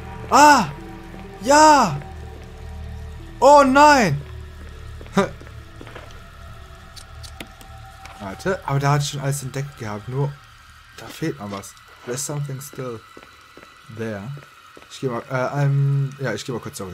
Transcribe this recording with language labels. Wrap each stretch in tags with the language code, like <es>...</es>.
<de>Ah! Ja! Oh nein! Warte, aber da hat schon alles entdeckt gehabt, nur da fehlt noch was.</de> <en>There's something still there.</en> <de>Ich gehe mal, ja, ich gehe mal kurz zurück.</de>